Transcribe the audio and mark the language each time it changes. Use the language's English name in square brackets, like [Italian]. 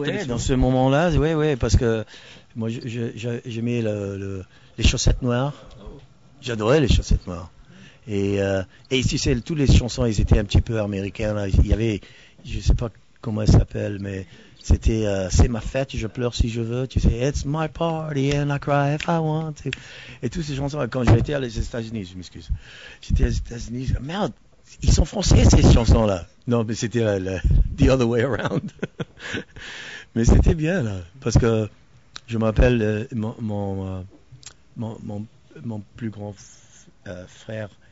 [French] Oui, dans ce moment-là, oui, parce que moi, j'aimais les chaussettes noires. J'adorais les chaussettes noires. Et tu sais, toutes les chansons, elles étaient un petit peu américaines. Il y avait, je sais pas comment elles s'appellent, mais c'était c'est ma fête, je pleure si je veux. Tu sais, [English] it's my party and I cry if I want to. [French] Et toutes ces chansons, quand j'étais aux États-Unis, je m'excuse. J'étais aux États-Unis, merde, ils sont français ces chansons-là. Non, mais c'était [English] the other way around. [French] Mais c'était bien, là, parce que je m'appelle mon plus grand frère.